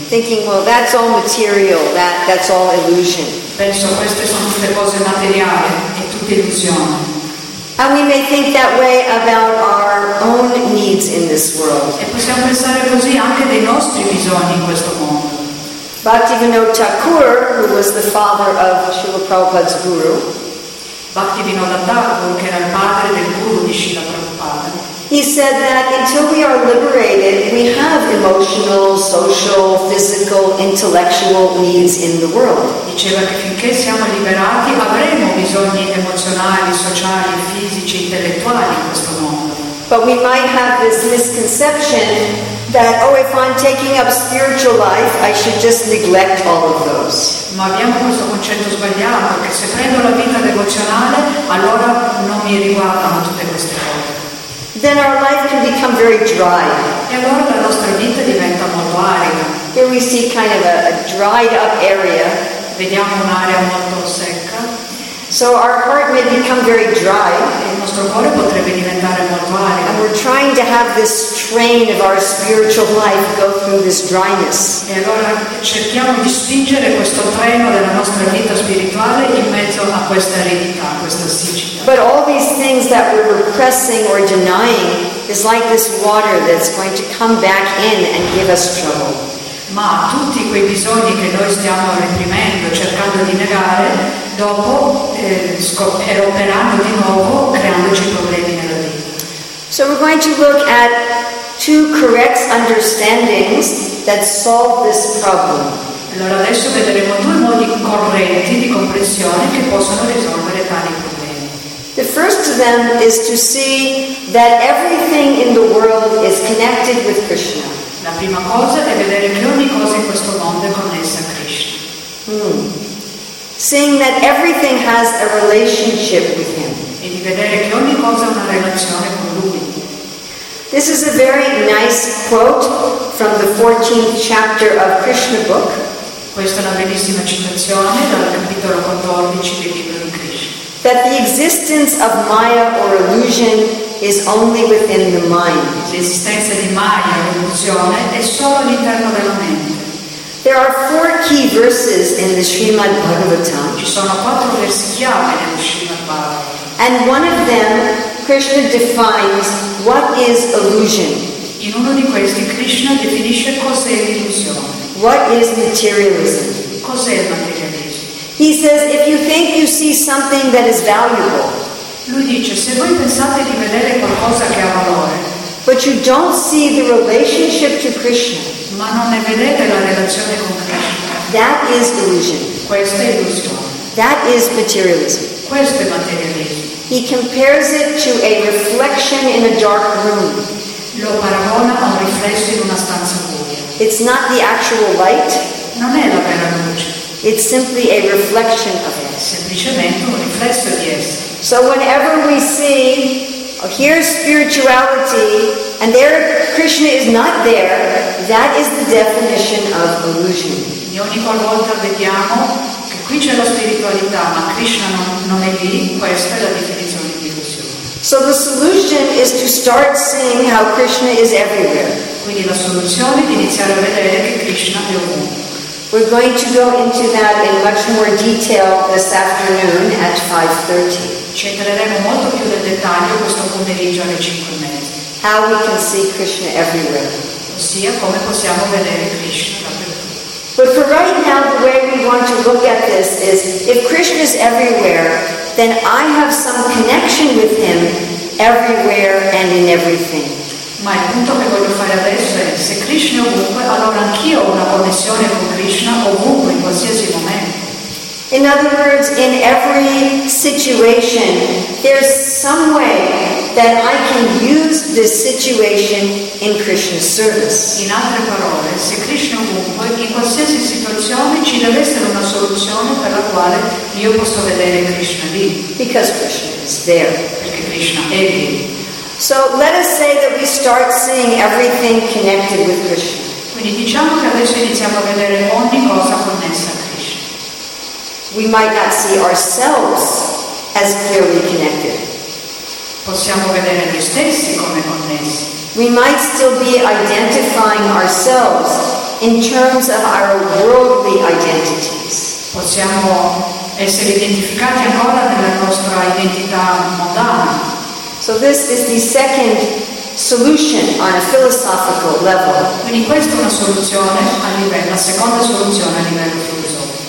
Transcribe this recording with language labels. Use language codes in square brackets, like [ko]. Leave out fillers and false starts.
[en] thinking, well, that's all material, that's all illusion. [it] Penso queste sono tutte cose materiali, è tutta illusione. [en] And we may think that way about our own needs in this world. [it] E possiamo pensare così anche dei nostri bisogni in questo mondo. [en] Bhaktivinoda Thakur, who was the father of Srila Prabhupada's guru, [it] Bhaktivinoda Thakur, che era il padre del guru di Srila Prabhupada, [en] he said that until we are liberated, we have emotional, social, physical, intellectual needs in the world. [it] Diceva che finché siamo liberati avremo bisogni emozionali, sociali, fisici, intellettuali in questo mondo. [en] But we might have this misconception that, oh, if I'm taking up spiritual life, I should just neglect all of those. [it] Ma abbiamo questo concetto sbagliato, che se prendo la vita devozionale, allora non mi riguardano tutte queste cose. [en] Then our life can become very dry. [it] E allora la nostra vita diventa molto arida. [en] Here we see kind of a dried up area. [it] Vediamo un'area molto secca. [en] So our heart may become very dry. [it] E il nostro cuore potrebbe diventare molto arido. [en] And we're trying to have this train of our spiritual life go through this dryness. [it] E allora cerchiamo di spingere questo treno della nostra vita spirituale in mezzo a questa aridità, a questa siccità. [en] But all these things that we're repressing or denying is like this water that's going to come back in and give us trouble. [it] Ma tutti quei bisogni che noi stiamo reprimendo, cercando di negare, dopo eroperanno di nuovo, creandoci problemi nella vita. [en] So we're going to look at two correct understandings that solve this problem. [it] Allora adesso vedremo due modi corretti di comprensione che possono risolvere tali problemi. [en] The first of them is to see that everything in the world is connected with Krishna. [it] La prima cosa è vedere che ogni cosa in questo mondo è connessa a Krishna. [en] Seeing that everything has a relationship with Him. [it] E di vedere che ogni cosa ha una relazione con Lui. [en] This is a very nice quote from the 14th chapter of Krishna book. [it] Questa è una bellissima citazione dal capitolo 14 del libro. [en] That the existence of Maya or illusion is only within the mind. [it] L'esistenza di Maya o illusione è solo all'interno della mente. [en] There are four key verses in the Srimad Bhagavatam. [it] Ci sono quattro versi chiave nel Srimad Bhagavatam. [en] And one of them, Krishna defines what is illusion. [it] In uno di questi, Krishna definisce cos'è l'illusione. [en] What is materialism? [it] Cos'è il materialismo? [en] He says, if you think you see something that is valuable, [it] lui dice, se voi pensate di vedere qualcosa che ha valore, [en] but you don't see the relationship to Krishna, [it] ma non ne vedete la relazione con Krishna, [en] that is illusion. [it] Questa è illusione. [en] That is materialism. [it] Questo è materialismo. [en] He compares it to a reflection in a dark room. [it] Lo paragona a un riflesso in una stanza buia. [en] It's not the actual light. [it] Non è la vera luce. [en] It's simply a reflection of it. [it] Semplicemente un riflesso di esso. [en] So whenever we see, oh, here's spirituality, and there Krishna is not there, that is the definition of illusion. [it] E ogni qualvolta vediamo che qui c'è la spiritualità, ma Krishna non è lì, questa è la definizione di illusione. [en] So the solution is to start seeing how Krishna is everywhere. [it] Quindi la soluzione è iniziare a vedere che Krishna è ovunque. [en] We're going to go into that in much more detail this afternoon at 5:30. [it] Ci entreremo molto più nel dettaglio questo pomeriggio alle 5:30. [en] How we can see Krishna everywhere. [it] Ossia, come possiamo vedere Krishna dappertutto. [en] But for right now, the way we want to look at this is, if Krishna is everywhere, then I have some connection with Him everywhere and in everything. [it] Ma il punto che voglio fare adesso è, se Krishna è ovunque, allora anch'io ho una connessione con Krishna ovunque, in qualsiasi momento. [en] In other words, in every situation, there's some way that I can use this situation in Krishna's service. [it] In altre parole, se Krishna è ovunque, in qualsiasi situazione ci deve essere una soluzione per la quale io posso vedere Krishna lì. [en] Because Krishna is there. [it] Perché Krishna è lì. [en] So let us say that we start seeing everything connected with Krishna. [it] Quindi diciamo che adesso iniziamo a vedere ogni cosa connessa a Krishna. [en] We might not see ourselves as clearly connected. [it] Possiamo vedere noi stessi come connessi. [en] We might still be identifying ourselves in terms of our worldly identities. [it] Possiamo essere identificati ancora nella nostra identità mondana. [en] So this is the second solution on a philosophical level. [it] Quindi questa è una soluzione a livello, la seconda soluzione a livello filosofico.